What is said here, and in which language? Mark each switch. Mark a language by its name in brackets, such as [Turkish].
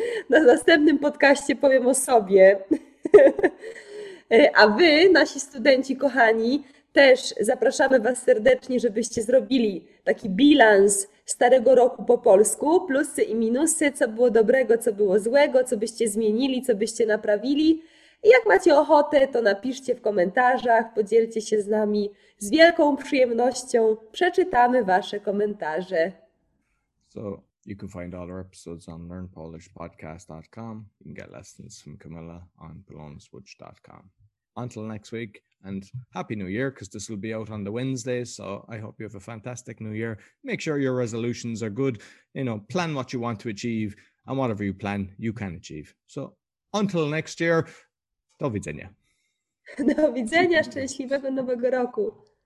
[Polish] Na następnym podcaście powiem o sobie. A Wy, nasi studenci kochani, też zapraszamy Was serdecznie, żebyście zrobili taki bilans starego roku po polsku, plusy i minusy, co było dobrego, co było złego, co byście zmienili, co byście naprawili. I jak macie ochotę, to napiszcie w komentarzach, podzielcie się z nami. Z wielką przyjemnością przeczytamy Wasze komentarze. [English] So, you can find all our episodes on learnpolishpodcast.com. You can get lessons from Camilla on polonswitch.com. Until next week, and happy new year, because this will be out on the Wednesday. So I hope you have a fantastic new year. Make sure your resolutions are good. You know, plan what you want to achieve, and whatever you plan, you can achieve. So until next year, [Polish] do widzenia. Do widzenia, szczęśliwego nowego roku.